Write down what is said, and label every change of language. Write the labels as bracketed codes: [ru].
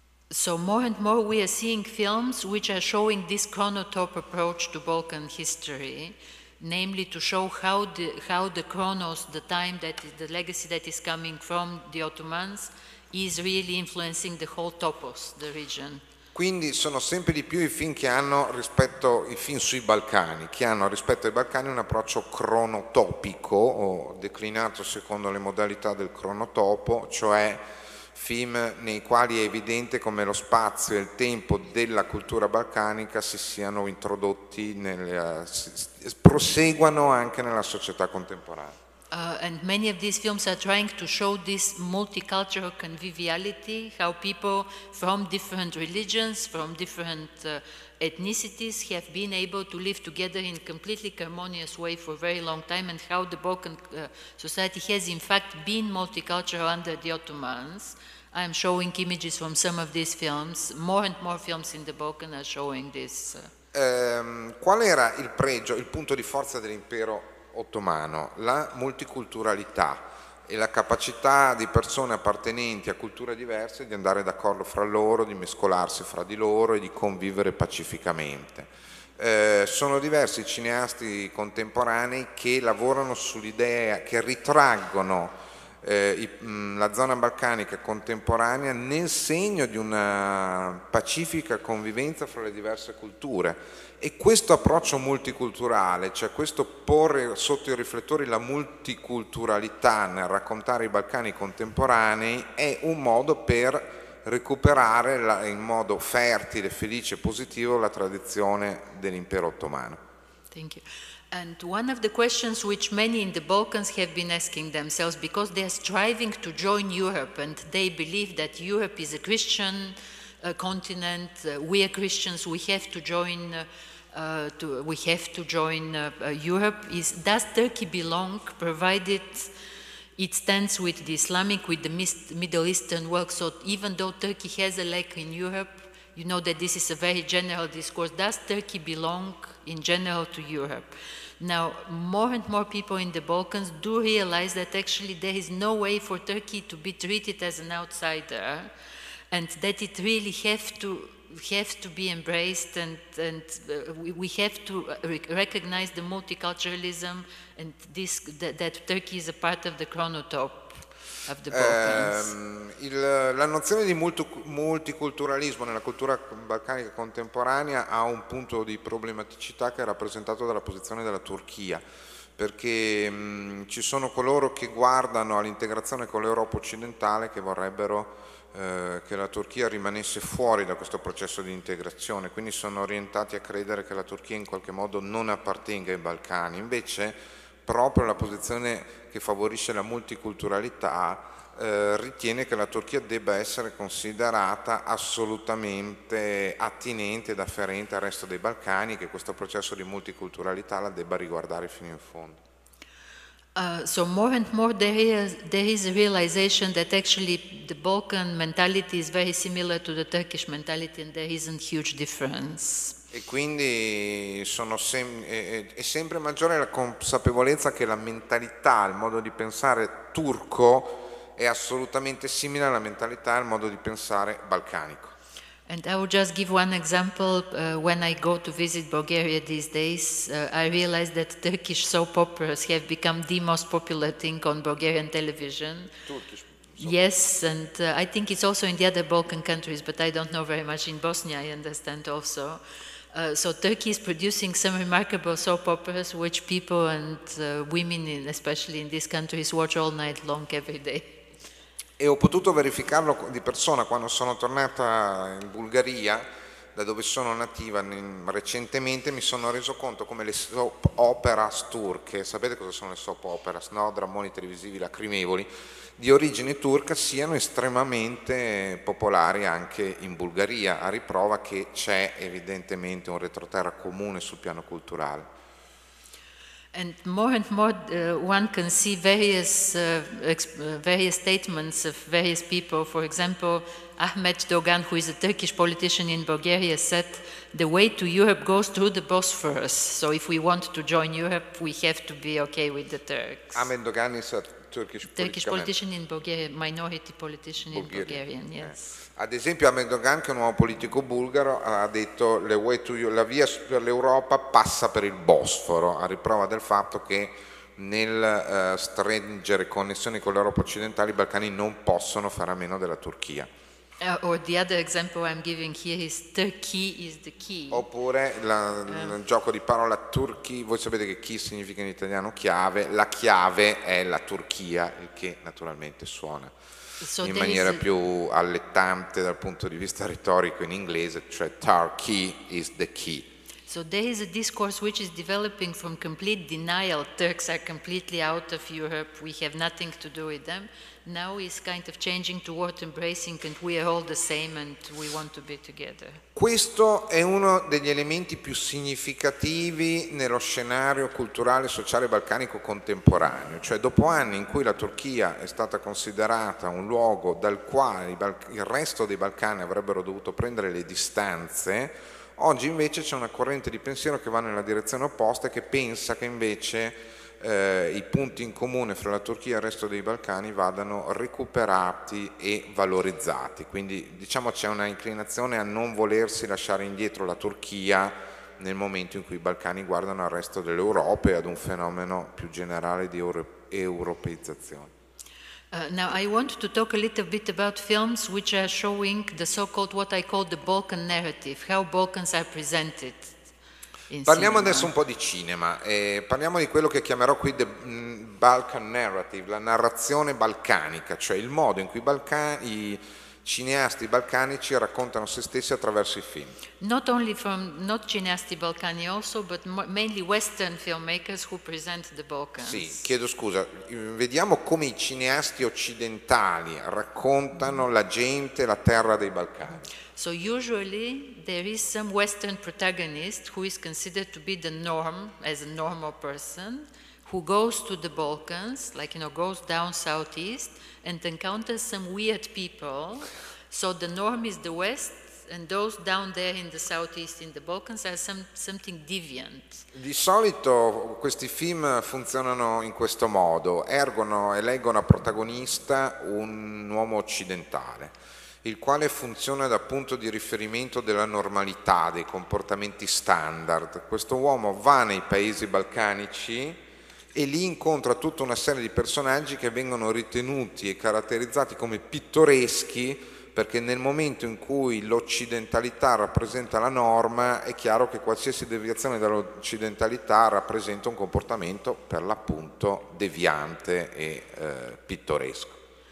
[en] So more and more we are seeing films which are showing this chronotope approach to Balkan history, namely to show how the chronos, the time that is the legacy that is coming from the Ottomans, is really influencing the whole topos, the region. [it] Quindi sono sempre di più i film che hanno rispetto ai film sui Balcani, che hanno rispetto ai Balcani un approccio cronotopico, o declinato secondo le modalità del cronotopo, cioè film nei quali è evidente come lo spazio e il tempo della cultura balcanica si siano introdotti, proseguano anche nella società contemporanea. [en] And many of these films are trying to show this multicultural conviviality, how people from different religions, from different ethnicities have been able to live together in completely harmonious way for a very long time, and how the Balkan society has in fact been multicultural under the Ottomans. I'm showing images from some of these films. More and more films in the Balkan are showing this. [it] Qual era il pregio, il punto di forza dell'impero ottomano? La multiculturalità e la capacità di persone appartenenti a culture diverse di andare d'accordo fra loro, di mescolarsi fra di loro e di convivere pacificamente. Sono diversi i cineasti contemporanei che lavorano sull'idea, che ritraggono la zona balcanica contemporanea nel segno di una pacifica convivenza fra le diverse culture. E questo approccio multiculturale, cioè questo porre sotto i riflettori la multiculturalità nel raccontare i Balcani contemporanei, è un modo per recuperare in modo fertile, felice e positivo la tradizione dell'impero ottomano. [en] Thank you. And one of the questions which many in the Balkans have been asking themselves, because they are striving to join Europe and they believe that Europe is a Christian continent, we are Christians, we have to join Europe, is does Turkey belong, provided it stands with the Islamic, with the Middle Eastern world? So even though Turkey has a leg in Europe, you know that this is a very general discourse, does Turkey belong in general to Europe? Now, more and more people in the Balkans do realize that actually there is no way for Turkey to be treated as an outsider, and that it really have to be embraced, and we have to recognize the multiculturalism and this that Turkey is a part of the chronotope of the Balkans. [it] La nozione di multiculturalismo nella cultura balcanica contemporanea ha un punto di problematicità che è rappresentato dalla posizione della Turchia. Perché ci sono coloro che guardano all'integrazione con l'Europa occidentale, che vorrebbero che la Turchia rimanesse fuori da questo processo di integrazione, quindi sono orientati a credere che la Turchia in qualche modo non appartenga ai Balcani. Invece proprio la posizione che favorisce la multiculturalità ritiene che la Turchia debba essere considerata assolutamente attinente ed afferente al resto dei Balcani, che questo processo di multiculturalità la debba riguardare fino in fondo. [en] So more and more there is a realization that actually the Balkan mentality is very similar to the Turkish mentality and there isn't huge difference. [it] E quindi è sempre maggiore la consapevolezza che la mentalità, il modo di pensare turco è assolutamente simile alla mentalità, al modo di pensare balcanico. [en] And I will just give one example. When I go to visit Bulgaria these days, I realize that Turkish soap operas have become the most popular thing on Bulgarian television. Turkish. Yes, and I think it's also in the other Balkan countries, but I don't know very much. In Bosnia, I understand also. So Turkey is producing some remarkable soap operas, which people and women, especially in these countries, watch all night long every day. [it] E ho potuto verificarlo di persona quando sono tornata in Bulgaria, da dove sono nativa recentemente. Mi sono reso conto come le soap operas turche, sapete cosa sono le soap operas, no? Drammoni televisivi lacrimevoli di origine turca, siano estremamente popolari anche in Bulgaria, a riprova che c'è evidentemente un retroterra comune sul piano culturale. [en] And more one can see various statements of various people. For example, Ahmet Dogan, who is a Turkish politician in Bulgaria, said, "The way to Europe goes through the Bosphorus. So if we want to join Europe, we have to be okay with the Turks." Ahmet Dogan is a Turkish politician in Bulgaria, minority politician in Bulgaria, yes. [it] Ad esempio Ahmet Dogan, che è un uomo politico bulgaro, ha detto la via per l'Europa passa per il Bosforo, a riprova del fatto che nel stringere connessioni con l'Europa occidentale i Balcani non possono fare a meno della Turchia. [en] Or the other example I'm giving here is Turkey is the key. [it] Oppure il gioco di parola Turkey, voi sapete che key significa in italiano chiave, la chiave è la Turchia, il che naturalmente suona in maniera più allettante dal punto di vista retorico in inglese, cioè [en] Turkey is the key. So there is a discourse which is developing from complete denial, Turks are completely out of Europe, we have nothing to do with them. Now is kind of changing toward embracing and we are all the same and we want to be together. [it] Questo è uno degli elementi più significativi nello scenario culturale, sociale balcanico contemporaneo, cioè dopo anni in cui la Turchia è stata considerata un luogo dal quale il resto dei Balcani avrebbero dovuto prendere le distanze, oggi invece c'è una corrente di pensiero che va nella direzione opposta e che pensa che invece i punti in comune fra la Turchia e il resto dei Balcani vadano recuperati e valorizzati. Quindi diciamo c'è una inclinazione a non volersi lasciare indietro la Turchia nel momento in cui i Balcani guardano al resto dell'Europa e ad un fenomeno più generale di europeizzazione. [en] Now I want to talk a little bit about films which are showing the so-called what I call the Balkan narrative, how Balkans are presented. [it] Parliamo adesso un po' di cinema, parliamo di quello che chiamerò qui [en] the Balkan narrative, [it] la narrazione balcanica, cioè il modo in cui i cineasti balcanici raccontano se stessi attraverso i film. [en] Not only from not [it] cineasti balcani [en] also, but mainly Western filmmakers who present the Balkans. [it] Sì, chiedo scusa. Vediamo come i cineasti occidentali raccontano la gente, la terra dei Balcani. [en] So usually there is some Western protagonist who is considered to be the norm as a normal person who goes to the Balkans, like you know, goes down southeast and encounters some weird people. So the norm is the West, and those down there in the southeast in the Balkans are something deviant. [it] Di solito questi film funzionano in questo modo: ergono e leggono a protagonista un uomo occidentale, il quale funziona da punto di riferimento della normalità, dei comportamenti standard. Questo uomo va nei paesi balcanici e lì incontra tutta una serie di personaggi che vengono ritenuti e caratterizzati come pittoreschi, perché nel momento in cui l'occidentalità rappresenta la norma, è chiaro che qualsiasi deviazione dall'occidentalità rappresenta un comportamento per l'appunto deviante e pittoresco.